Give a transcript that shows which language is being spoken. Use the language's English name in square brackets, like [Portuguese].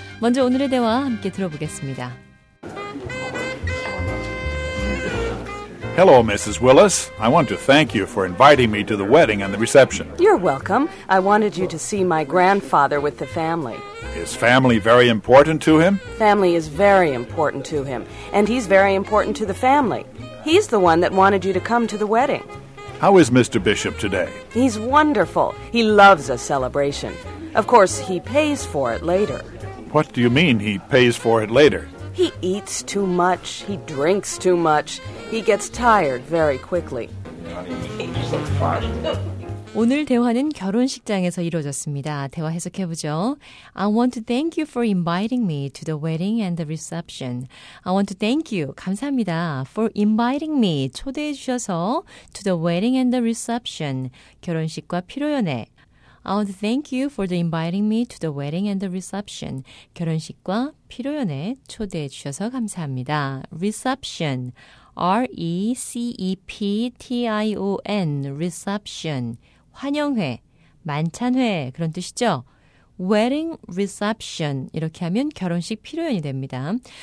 [Korean] 먼저 오늘의 대화 함께 들어보겠습니다. [English] Hello, Mrs. Willis. I want to thank you for inviting me to the wedding and the reception. You're welcome. I wanted you to see my grandfather with the family. Is family very important to him? Family is very important to him, and he's very important to the family. He's the one that wanted you to come to the wedding. How is Mr. Bishop today? He's wonderful. He loves a celebration. Of course, he pays for it later. What do you mean he pays for it later? He eats too much. He drinks too much. He gets tired very quickly. [Korean] 오늘 대화는 결혼식장에서 이루어졌습니다. 대화 해석해보죠. [English] I want to thank you for inviting me to the wedding and the reception. I want to thank you. [Korean] 감사합니다. [English] For inviting me. [Korean] 초대해 주셔서 [English] to the wedding and the reception. [Korean] 결혼식과 피로연애. [English] I want to thank you for inviting me to the wedding and the reception. [Korean] 결혼식과 피로연애 초대해 주셔서 감사합니다. [English] Reception. R-E-C-E-P-T-I-O-N. Reception. [Korean] 환영회, 만찬회 그런 뜻이죠. [English] Wedding reception [Korean] 이렇게 하면 결혼식 피로연이 됩니다.